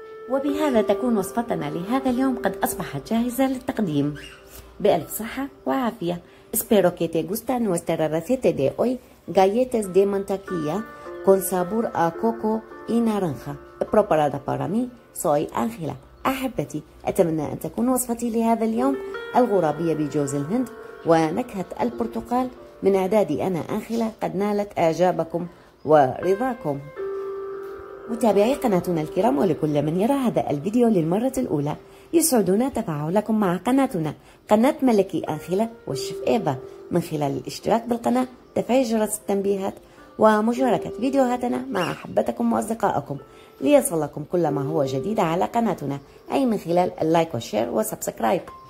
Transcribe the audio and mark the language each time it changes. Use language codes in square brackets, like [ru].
[ar] وبهذا تكون وصفتنا لهذا اليوم قد أصبحت جاهزة للتقديم. بألف صحة وعافية. [es] Espero que te guste nuestra receta de hoy, galletas de mantequilla con sabor a coco y naranja, preparada para mí. Soy Ángela. [ar] أحبتي، أتمنى أن تكون وصفتي لهذا اليوم الغرابية بجوز الهند ونكهة البرتقال من إعدادي أنا أنخلة قد نالت إعجابكم ورضاكم. متابعي قناتنا الكرام ولكل من يرى هذا الفيديو للمرة الأولى، يسعدنا تفاعلكم مع قناتنا قناة ملكي أنخلة والشيف إيفا من خلال الاشتراك بالقناة، تفعيل جرس التنبيهات ومشاركة فيديوهاتنا مع أحبتكم وأصدقائكم ليصلكم كل ما هو جديد على قناتنا أي من خلال اللايك والشير وسبسكرايب.